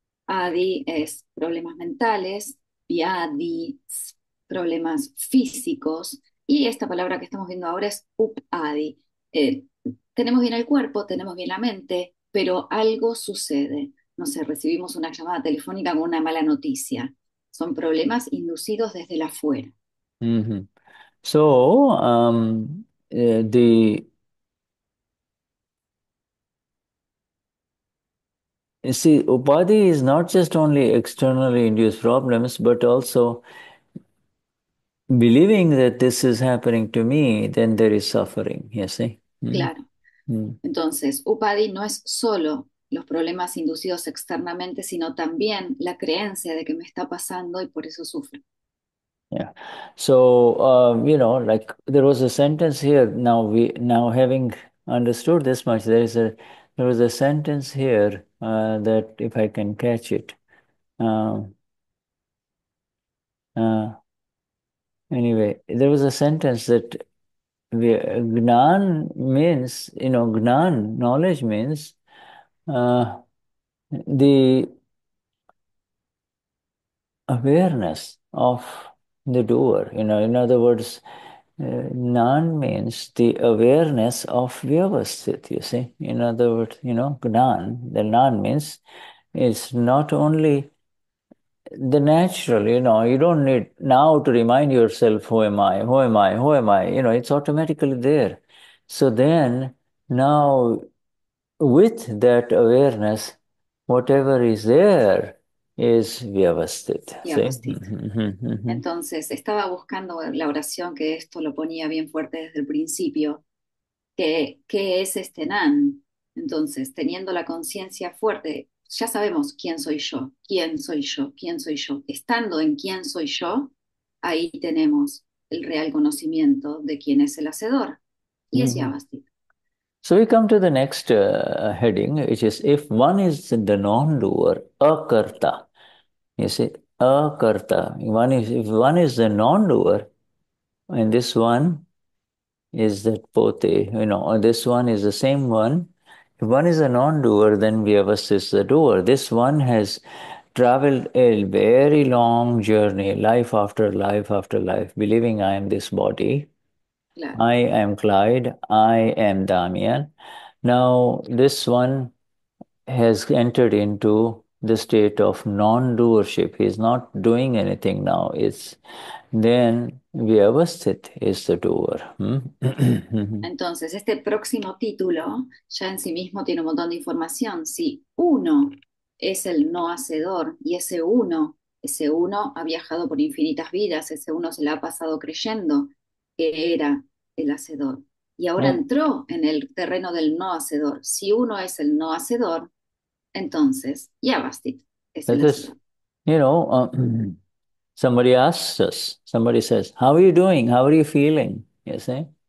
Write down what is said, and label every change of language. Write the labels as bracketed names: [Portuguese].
[Spanish] Adi es problemas mentales, vyadi, problemas físicos, y esta palabra que estamos viendo ahora es upadi. Tenemos bien el cuerpo, tenemos bien la mente, pero algo sucede. No sé, recibimos una llamada telefónica con una mala noticia. Son problemas inducidos desde la fuera. [English] So the you see, upadhi is not just only externally induced problems, but also believing that this is happening to me, then there is suffering, you see. [Spanish] Claro. Entonces, upadhi no es solo los problemas inducidos externamente, sino también la creencia de que me está pasando y por eso sufro. [English] Like there was a sentence here. Now having understood this much, there was a sentence here that if I can catch it. Anyway, there was a sentence that gnan means, you know, gnan, knowledge means the awareness of the doer, you know. In other words, Gnan means the awareness of vyavasthit, you see. In other words, Gnan, the Gnan means it's not only the natural, you don't need now to remind yourself, who am I, who am I, who am I, it's automatically there. So then, now with that awareness, whatever is there is Vyavasthita. vyavasthit, see? [Spanish] Entonces, estaba buscando la oración que esto lo ponía bien fuerte desde el principio, que ¿qué es este Nan? Entonces, teniendo la conciencia fuerte, ya sabemos quién soy yo, quién soy yo, quién soy yo. Estando en quién soy yo, ahí tenemos el real conocimiento de quién es el Hacedor, y es Vyavasthita. [English] So we come to the next heading, which is if one is the non-doer, akarta. You see, akarta. If one is the non-doer, and this one is that pote, or this one is the same one. If one is a non-doer, then vyavastha is the doer. This one has traveled a very long journey, life after life after life, believing I am this body. [Spanish] Claro. [English] I am Clyde, I am Damien. Now, this one has entered into the state of non-doership. He is not doing anything now. It's then vyavasthit [Spanish] Entonces, este próximo título ya en sí mismo tiene un montón de información. Si uno es el no hacedor y ese uno ha viajado por infinitas vidas, ese uno se la ha pasado creyendo que era el hacedor. Y ahora [English] doer. [Spanish] entró en el terreno del no hacedor. Si uno es el no hacedor, entonces Yavastit es el [English] That is, [Spanish] hacedor. [English] somebody asks us, somebody says, how are you doing? How are you feeling? You see?